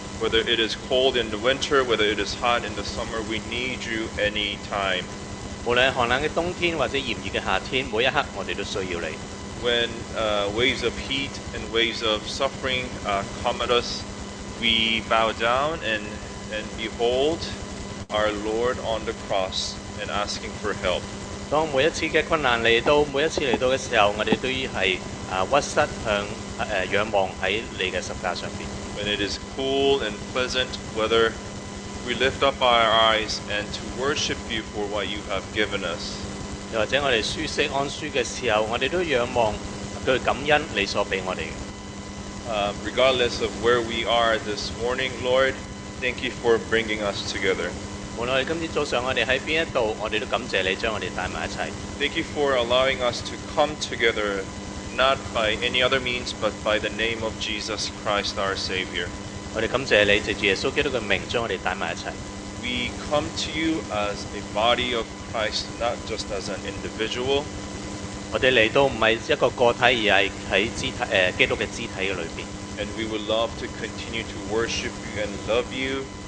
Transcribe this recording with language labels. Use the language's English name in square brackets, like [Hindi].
[English] Whether it is cold in the winter, whether it is hot in the summer, we need you any time. [Cantonese] 無論寒冷嘅冬天或者炎熱嘅夏天，每一刻我哋都需要你。 [English] When waves of heat and waves of suffering come at us, we bow down and behold our Lord on the cross and asking for help. [Cantonese] 当每一次嘅困难嚟到，每一次嚟到嘅时候，我哋都要系屈膝向仰望喺你嘅十架上边。 [English] When it is cool and pleasant weather, we lift up our eyes and to worship you for what you have given us. [Cantonese] 或者我哋舒適安舒嘅時候，我哋都仰望佢感恩你所俾我哋。 [English] Regardless of where we are this morning, Lord, thank you for bringing us together. [Cantonese] 無論今天早上我哋喺邊一度，我哋都感謝你將我哋帶埋一齊。 [English] Thank you for allowing us to come together, not by any other means, but by the name of Jesus Christ, our Savior. [Cantonese] 我哋感謝你藉住耶穌基督嘅名將我哋帶埋一齊。 [English] We come to you as a body of Christ, not just as an individual. [Cantonese] 我哋嚟到唔系一个个体，而系喺肢体基督嘅肢体嘅里边。 [English] And we would love to continue to worship you and love you.